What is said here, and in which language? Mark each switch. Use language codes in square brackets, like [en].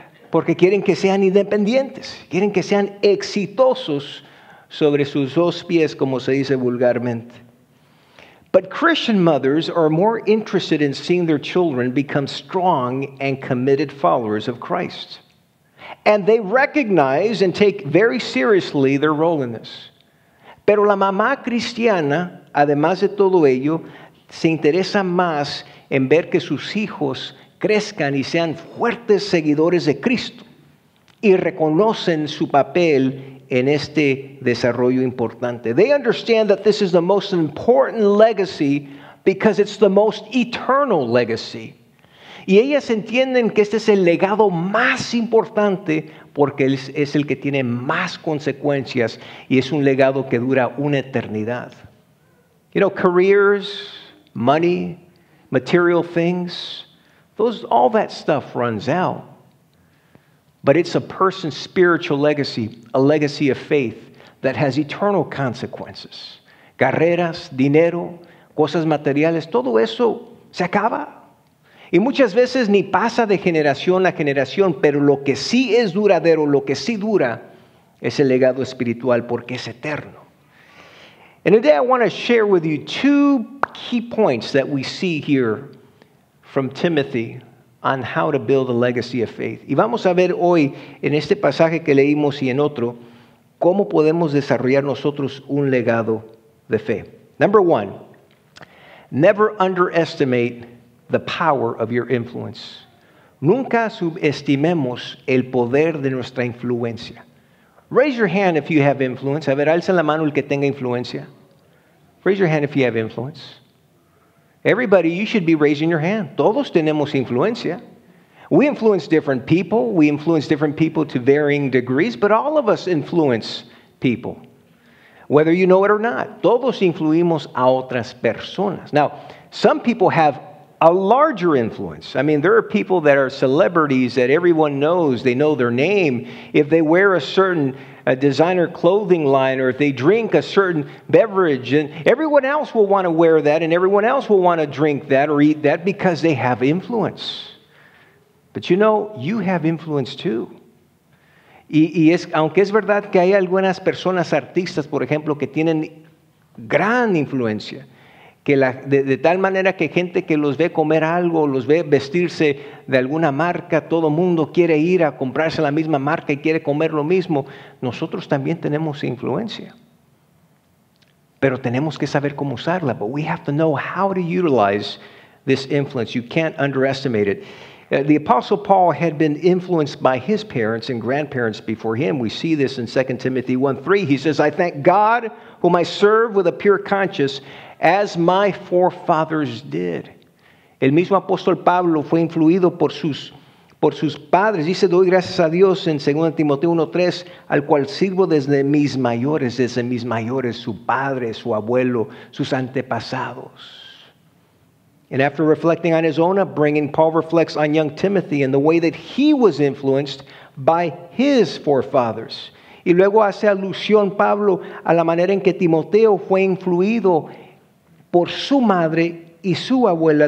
[es] Porque quieren que sean independientes, quieren que sean exitosos sobre sus dos pies, como se dice vulgarmente. [en] But Christian mothers are more interested in seeing their children become strong and committed followers of Christ. And they recognize and take very seriously their role in this. [es] Pero la mamá cristiana, además de todo ello, se interesa más en ver que sus hijos crezcan y sean fuertes seguidores de Cristo y reconocen su papel en este desarrollo importante. [en] They understand that this is the most important legacy because it's the most eternal legacy. [es] Y ellas entienden que este es el legado más importante porque es el que tiene más consecuencias y es un legado que dura una eternidad. [en] You know, careers, money, material things, those, all that stuff runs out. But it's a person's spiritual legacy, a legacy of faith that has eternal consequences. [es] Carreras, dinero, cosas materiales, todo eso se acaba. Y muchas veces ni pasa de generación a generación, pero lo que sí es duradero, lo que sí dura, es el legado espiritual porque es eterno. [en] And today I want to share with you two key points that we see here from Timothy on how to build a legacy of faith. [es] Y vamos a ver hoy en este pasaje que leímos y en otro, cómo podemos desarrollar nosotros un legado de fe. [en] Number one, never underestimate the power of your influence. [es] Nunca subestimemos el poder de nuestra influencia. [en] Raise your hand if you have influence. [es] A ver, alza la mano el que tenga influencia. [en] Raise your hand if you have influence. Everybody, you should be raising your hand. [es] Todos tenemos influencia. [en] We influence different people. We influence different people to varying degrees, but all of us influence people, whether you know it or not. [es] Todos influimos a otras personas. [en] Now, some people have a larger influence. I mean, there are people that are celebrities that everyone knows. They know their name. If they wear a certain designer clothing line, or if they drink a certain beverage, and everyone else will want to wear that, and everyone else will want to drink that or eat that because they have influence. But you know, you have influence too. [es] Y es, aunque es verdad que hay algunas personas, artistas, por ejemplo, que tienen gran influencia, que la, de tal manera que gente que los ve comer algo, los ve vestirse de alguna marca, todo mundo quiere ir a comprarse la misma marca y quiere comer lo mismo. Nosotros también tenemos influencia, pero tenemos que saber cómo usarla. [en] But we have to know how to utilize this influence. You can't underestimate it. The Apostle Paul had been influenced by his parents and grandparents before him. We see this in 2 Timothy 1:3. He says, I thank God, whom I serve with a pure conscience, as my forefathers did. [es] El mismo apóstol Pablo fue influido por sus padres. Dice, doy gracias a Dios en 2 Timoteo 1:3, al cual sirvo desde mis mayores, su padre, su abuelo, sus antepasados. [en] And after reflecting on his own upbringing, Paul reflects on young Timothy and the way that he was influenced by his forefathers. [es] Y luego hace alusión Pablo a la manera en que Timoteo fue influido por su madre y su abuela.